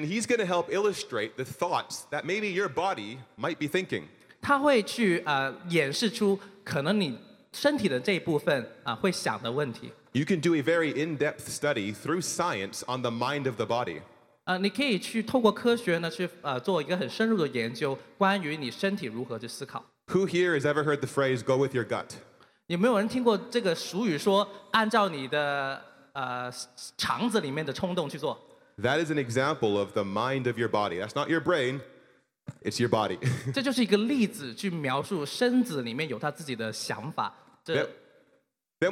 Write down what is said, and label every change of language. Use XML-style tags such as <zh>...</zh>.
<en>he's going to help illustrate the thoughts that maybe your body might be thinking.</en> <zh>他会去演示出可能你身体的这一部分会想的问题。</zh> <en>You can do a very in-depth study through science on the mind of the body.</en> <zh>你可以去透过科学呢去做一个很深入的研究关于你身体如何去思考。</zh> <en>Who here has ever heard the phrase, go with your gut?</en> <zh>有没有人听过这个俗语说按照你的肠子里面的冲动去做？</zh> <en>That is an example of the mind of your body. That's not your brain, it's your body.</en> <zh>这就是一个例子去描述身子里面有他自己的想法。</zh> <en>Then</en>